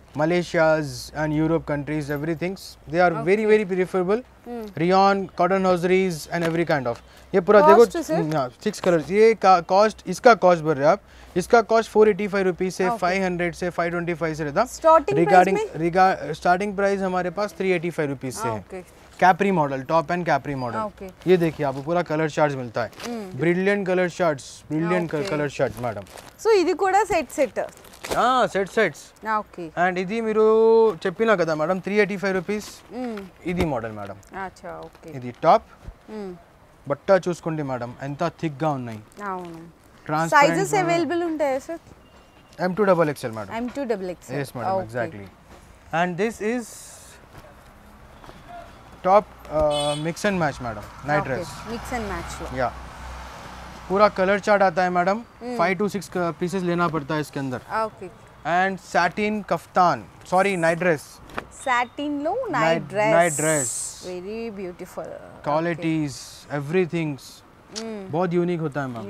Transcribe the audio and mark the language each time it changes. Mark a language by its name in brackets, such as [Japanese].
[English] Malaysias and Europe countries every things they are very very preferable rayon cotton hosieries and every kind of [Hindi] ये पूरा देखो six colours ये cost इसका cost बढ़ रहे आप इसका कॉस्ट 485 रुपीज से 500 से 525 से रहता [English] regarding [Hindi] स्टार्टिंग प्राइस हमारे पास 385 रुपीज से है Capri model top and Capri model ये देखिए आपको पूरा कलर शर्ट्स मिलता है brilliant colour shirts brilliant colour shirt madam [Telugu] सो इदी कोडा सेट सेट ఆ సెట్ సెట్స్ ఓకే అండ్ ఇది మీరు చెప్పినా కదా మేడం 385 రూపీస్ ఇది మోడల్ మేడం అచ్చా ఓకే ఇది టాప్ బట్టా చూసుకోండి మేడం ఎంత థిక్ గా ఉన్నాయి అవును ట్రాన్స్పరెంట్ సైజెస్ అవైలబుల్ ఉంటాయి sir [English] M2 double XL madam M2 double XL yes madam exactly and this is top mix and match madam night dress mix and match [Hindi] yeah पूरा colour chart आता है madam 5 to 6 pieces लेना पड़ता है इसके अंदर okay [English] and satin kaftan, sorry night dress, [Telugu] satin low night dress, [English] night dress very beautiful [Hindi] qualities everything बहुत unique होता है मैम.